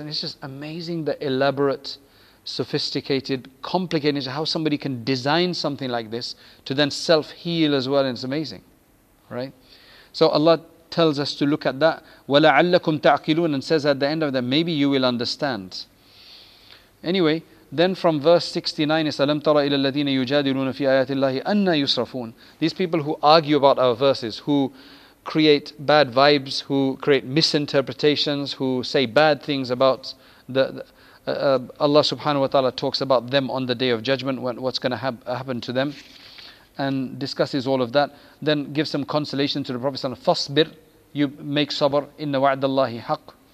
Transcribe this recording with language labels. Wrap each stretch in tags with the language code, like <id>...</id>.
<en>And it's just amazing the elaborate, sophisticated, complicated, how somebody can design something like this to then self-heal as well, and it's amazing, right? So Allah tells us to look at that,</en> <ar>وَلَعَلَّكُمْ تَعْقِلُونَ,</ar> <en>and says at the end of that, maybe you will understand. Anyway, then from verse 69,</en> <ar>أَلَمْ تَرَ إِلَى الَّذِينَ يُجَادِلُونَ فِي آيَاتِ اللَّهِ أَنَّا يُصْرَفُونَ.</ar> <en>These people who argue about our verses, who create bad vibes, who create misinterpretations, who say bad things about Allah subhanahu wa ta'ala talks about them on the day of judgment, what's going to happen to them, and discusses all of that, then gives some consolation to the Prophet sallallahu alaihi wasallam, fasbir, you make sabr, inna wa'adallahi haqq.</en>